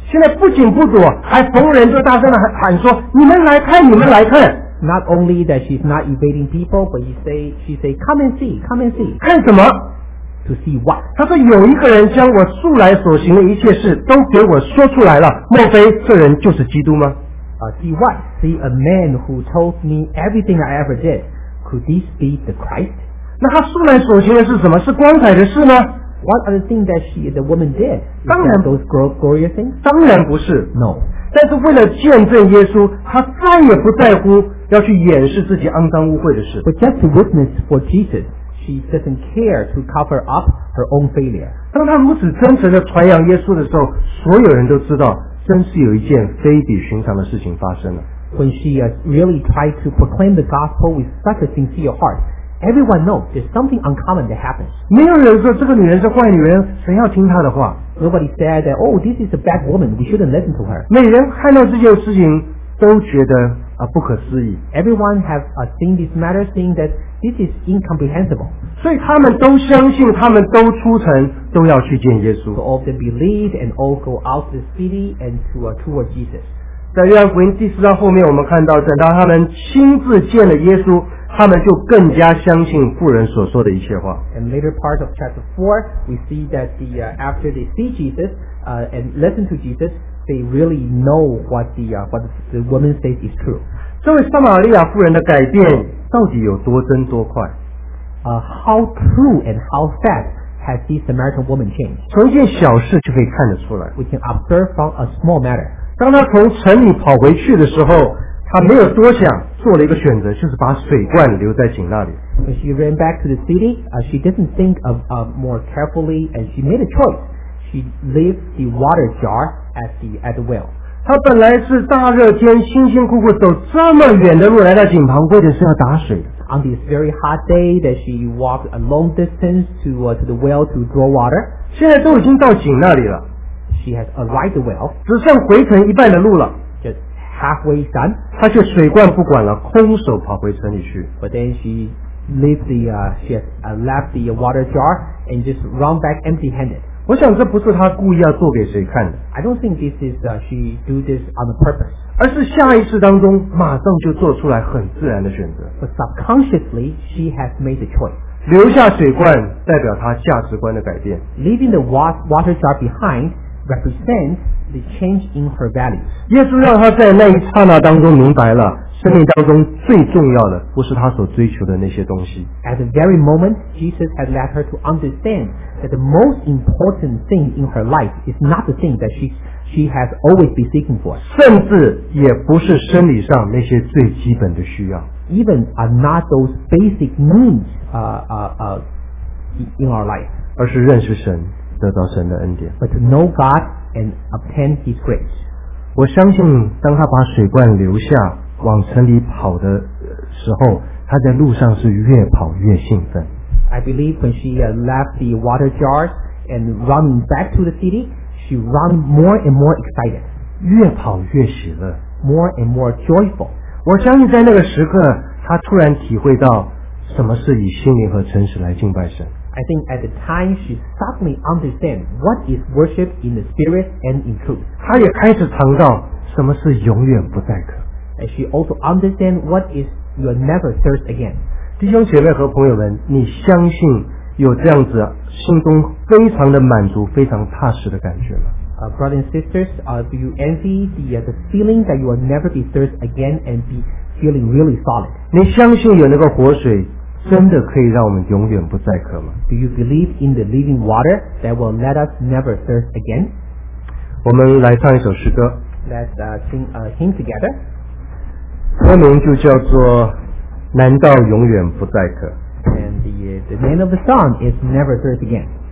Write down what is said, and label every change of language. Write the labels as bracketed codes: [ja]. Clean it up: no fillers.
[zh] 现在不仅不躲，还逢人就大声地喊说："你们来看，你们来看。" [en] not only that she's not evading people, but she say, come and see. [zh] 看什么？ [en] To see what? [zh] 他说有一个人将我素来所行的一切事都给我说出来了，莫非这人就是基督吗？ [en] See what? See a man who told me everything I ever did. Could this be the Christ? [zh] 那他素来所行的是什么？是光彩的事吗？ [en] What are the things that the woman did? [zh] 当然 [en] those glorious things? [zh] 当然不是。 [en] No. [zh] 但是为了见证耶稣，他再也不在乎要去掩饰自己肮脏污秽的事。 [en] But just to witness for Jesus. She doesn't care to cover up her own failure. [zh] 当他如此真诚地传扬耶稣的时候，所有人都知道，真是有一件非比寻常的事情发生了。 [en] When she really tried to proclaim the gospel with such a sincere heart, everyone knows there's something uncommon that happens. [zh] 没有人说这个女人是坏女人，谁要听她的话？ [en] Nobody said that. Oh, this is a bad woman. We shouldn't listen to her. [zh] 每人看到这件事情都觉得不可思议。 [en] Everyone have seen this matter, seeing that. This is incomprehensible. [zh] 所以他们都相信，他们都出城，都要去见耶稣。 [en] So all of them believe and all go out to the city and toward Jesus. [zh] 在约翰福音第四章后面，我们看到，等到他们亲自见了耶稣，他们就更加相信妇人所说的一切话。 [en] And later part of chapter 4, we see that after they see Jesus, and listen to Jesus, they really know what the woman says is true. [zh] 这位撒玛利亚妇人的改变。到底有多真多快？ [en] How true and how fast has this Samaritan woman changed? [zh] 从一件小事就可以看得出来。 [en] We can observe from a small matter. [zh] 当她从城里跑回去的时候，她没有多想，做了一个选择，就是把水罐留在井那里。 [en] When she ran back to the city, she didn't think of more carefully, and she made a choice. She left the water jar at the well. [zh] 他本来是大热天辛辛苦苦走这么远的路来到井旁，为的是要打水的。 [en] On this very hot day that she walked a long distance to the well to draw water. [zh] 现在都已经到井那里了。 [en] She has arrived the well. [zh] 只剩回城一半的路了。 [en] Just halfway done. [zh] 她却水罐不管了，空手跑回城里去。 [en] But then she left the water jar and just run back empty handed. [zh] 我想这不是他故意要做给谁看的。 [en] I don't think this is she do this on a purpose. [zh] 而是下意识当中马上就做出来很自然的选择。 [en] But subconsciously, she has made the choice. [zh] 留下水罐代表她价值观的改变。 [en] Leaving the water jar behind represents the change in her values. [zh] 耶稣让她在那一刹那当中明白了生命当中最重要的不是他所追求的那些东西。 [en] At the very moment, Jesus had led her to understand that the most important thing in her life is not the thing that she has always been seeking for. [zh] 甚至也不是生理上那些最基本的需要。 [en] Even are not those basic needs in our life. [zh] 而是认识神，得到神的恩典。 [en] But to know God and obtain His grace. [zh] 我相信当他把水罐留下往城里跑的时候，他在路上是越跑越兴奋。 [en] I believe when she left the water jars and running back to the city, she run more and more excited. [zh] 越跑越喜乐。 [en] More and more joyful. [zh] 我相信在那个时刻，他突然体会到什么是以心灵和诚实来敬拜神。 [en] I think at the time she suddenly understand what is worship in the spirit and in truth. [zh] 他也开始尝到什么是永远不再渴。 [en] And she also understands what is you will never thirst again. [zh] 弟兄姐妹和朋友们，你相信有这样子心中非常的满足、非常踏实的感觉吗？ [en] Brothers and sisters, do you envy the feeling that you will never be thirst again and be feeling really solid? [zh] 你相信有那个活水真的可以让我们永远不再渴吗？ [en] Do you believe in the living water that will let us never thirst again? [zh] 我们来唱一首诗歌。 [en] Let's sing a hymn together. [zh] 歌名就叫做难道永远不再渴。 [en] And the name of the song is Never Thirst Again.